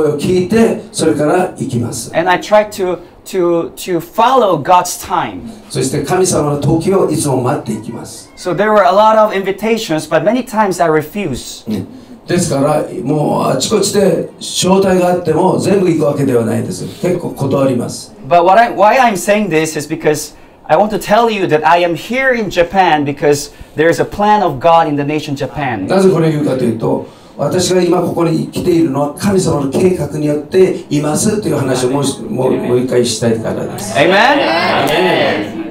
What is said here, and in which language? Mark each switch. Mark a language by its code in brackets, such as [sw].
[ja] ですから私はいろんな国に行くときに自分の意思で行きません。神様の声を聞いてそれから行きます。 [en] And I try to follow God's time. [ja] そして神様の時をいつも待っていきます。So [en] there were a lot of invitations, but many times I refuse. [ja] ですからもうあちこちで招待があっても全部行くわけではないです。結構断ります。 [en] But why I'm saying this is because I want to tell you that I am here in Japan because there is a plan of God in the nation Japan. [ja] なぜこれを言うかというと 私が今ここに来ているのは神様の計画によっていますという話をもう一回したいからです。Amen.